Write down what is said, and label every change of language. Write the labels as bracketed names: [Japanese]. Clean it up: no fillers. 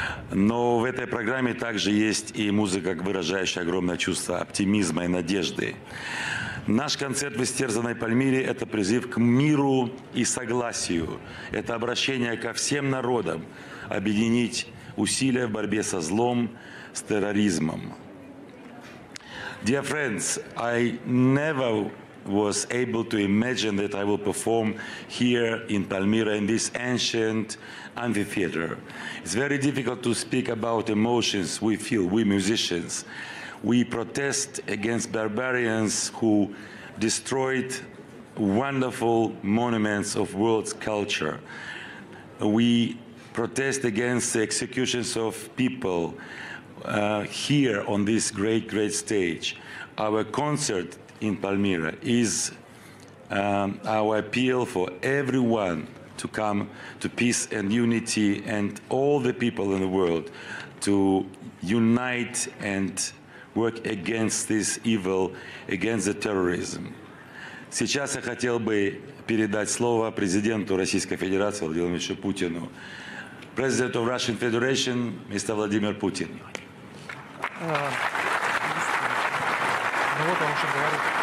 [Russian] Но в этой программе также есть и музыка, выражающая огромное чувство оптимизма и надежды. Наш концерт в истерзанной Пальмире – это призыв к миру и согласию. Это обращение ко всем народам объединить усилия в борьбе со злом, с терроризмом. [English] Dear friends, I never was able to imagine that I will perform here in Palmyra in this ancient amphitheater. It's very difficult to speak about emotions we feel, we musicians. We protest against barbarians who destroyed wonderful monuments of world culture. We protest against the executions of people. Here on this great, great stage, our concert in Palmyra is our appeal for everyone to come to peace and unity, and all the people in the world to unite and work against this evil, against the terrorism. [Russian] Сейчас я хотел бы передать слово президенту Российской Федерации Владимиру Путину. [English] President of Russian Federation, Mr. Vladimir Putin. [Russian] Ну вот он уже говорит.